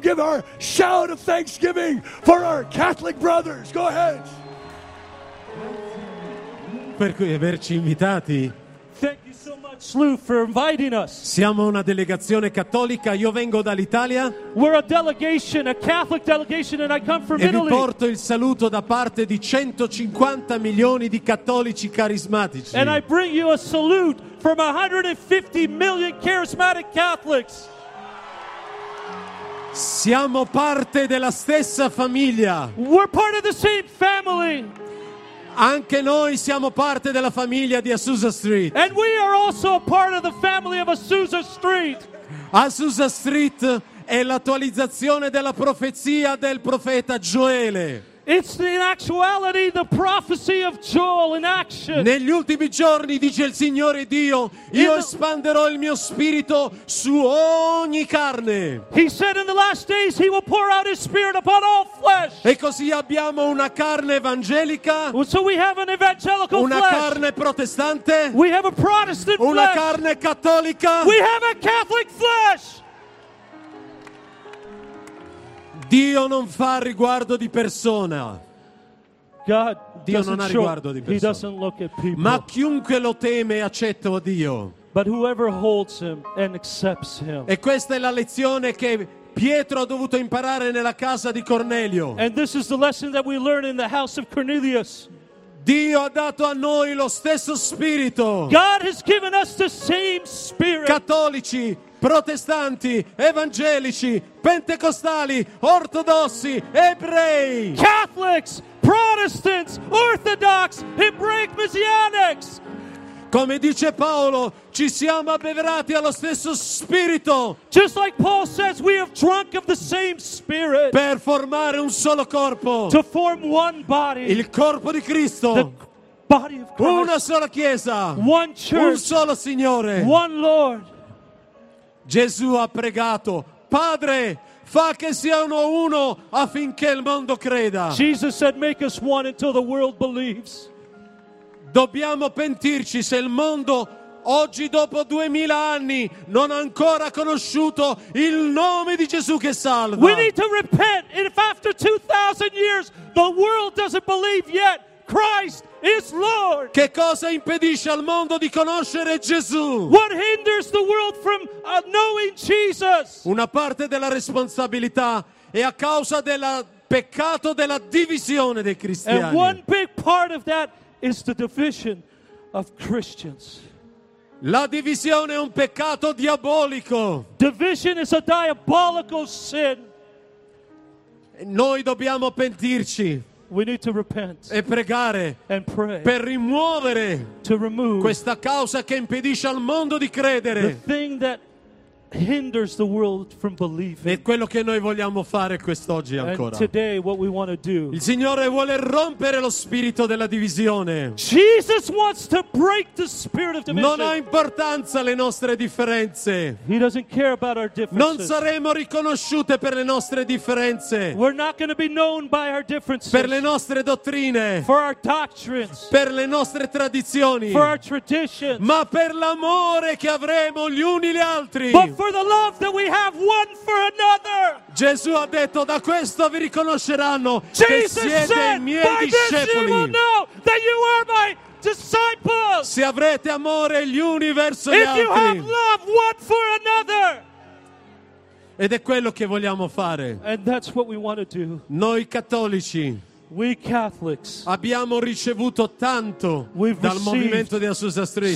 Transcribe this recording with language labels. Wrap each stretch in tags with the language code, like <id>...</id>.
<en>Give our shout of thanksgiving for our Catholic brothers. Go ahead.</en> <it>Per cui averci invitati.</it> <en>Thank you so much, Lou, for inviting us.</en> <it>Siamo una delegazione cattolica. Io vengo dall'Italia.</it> <en>We're a delegation, a Catholic delegation, and I come from Italy.</en> <it>E vi porto il saluto da parte di 150 milioni di cattolici carismatici.</it> <en>And I bring you a salute from 150 million charismatic Catholics.</en> <it>Siamo parte della stessa famiglia.</it> <en>We're part of the same family.</en> <it>Anche noi siamo parte della famiglia di Azusa Street.</it> <en>And we are also a part of the family of Azusa Street.</en> <it>Azusa Street è l'attualizzazione della profezia del profeta Gioele.</it> <en>It's in actuality the prophecy of Joel in action.</en> <it>Negli ultimi giorni, dice il Signore Dio, io espanderò il mio spirito su ogni carne.</it> <en>He said in the last days he will pour out his spirit upon all flesh.</en> <it>E così abbiamo una carne evangelica.</it> <en>So we have an evangelical</en> <it>una</it> <en>flesh.</en> <it>Una carne protestante.</it> <en>We have a Protestant</en> <it>una</it> <en>flesh.</en> <it>Carne cattolica.</it> <en>We have a Catholic flesh.</en> <it>Dio non fa riguardo di persona.</it> <en>God</en> <it>Dio non ha riguardo di persona.</it> <en>He doesn't look at people.</en> <it>Ma chiunque lo teme accetta Dio.</it> <en>But whoever holds him and accepts him.</en> <it>E questa è la lezione che Pietro ha dovuto imparare nella casa di Cornelio.</it> <en>And this is the lesson that we learn in the house of Cornelius.</en> <it>Dio ha dato a noi lo stesso spirito.</it> <en>God has given us the same spirit.</en> <it>Cattolici, protestanti, evangelici, pentecostali, ortodossi, ebrei.</it> <en>Catholics, Protestants, Orthodox, Hebraic Messianics.</en> <it>Come dice Paolo, ci siamo abbeverati allo stesso spirito.</it> <en>Just like Paul says, we have drunk of the same spirit.</en> <it>Per formare un solo corpo.</it> <en>To form one body.</en> <it>Il corpo di Cristo.</it> <en>The body of Christ.</en> <it>Una sola chiesa.</it> <en>One church.</en> <it>Un solo Signore.</it> <en>One Lord.</en> <it>Gesù ha pregato, Padre, fa che siano uno affinché il mondo creda.</it> <en>Jesus said, make us one until the world believes.</en> <it>Dobbiamo pentirci se il mondo oggi dopo 2000 anni non ha ancora conosciuto il nome di Gesù che salva.</it> <en>We need to repent if after 2000 years the world doesn't believe yet Christ is Lord.</en> <it>Che cosa impedisce al mondo di conoscere Gesù?</it> <en>What hinders the world from knowing Jesus?</en> <it>Una parte della responsabilità è a causa del peccato della divisione dei cristiani.</it> <en>And one big part of that is the division of Christians.</en> <it>La divisione è un peccato diabolico.</it> <en>Division is a diabolical sin.</en> <it>Noi dobbiamo pentirci.</it> <en>We need to repent</en> <it>e pregare</it> <en>and pray</en> <it>per rimuovere</it> <en>to remove</en> <it>questa causa che impedisce al mondo di credere.</it> <en>The thing that hinders the world from believing.</en> <it>È quello che noi vogliamo fare quest'oggi ancora.</it> <en>And today, what we want to do.</en> <it>Il Signore vuole rompere lo spirito della divisione.</it> <en>Jesus wants to break the spirit of division.</en> <it>Non ha importanza le nostre differenze.</it> <en>He doesn't care about our differences.</en> <it>Non saremo riconosciute per le nostre differenze.</it> <en>We're not going to be known by our differences.</en> <it>Per le nostre dottrine.</it> <en>For our doctrines.</en> <it>Per le nostre tradizioni.</it> <en>For our traditions.</en> <it>Ma per l'amore che avremo gli uni gli altri.</it> <en>But for the love that we have one for another.</en> <it>Gesù ha detto, da questo vi riconosceranno che siete i miei discepoli.</it> <en>Jesus said, by this you will know that you are my disciples.</en> <it>Se avrete amore gli uni verso gli altri.</it> <en>If you have love one for another.</en> <it>Ed è quello che vogliamo fare.</it> <en>And that's what we want to do.</en> <it>Noi cattolici.</it> <en>We Catholics.</en> <it>Abbiamo ricevuto tanto dal movimento di Azusa Street.</it>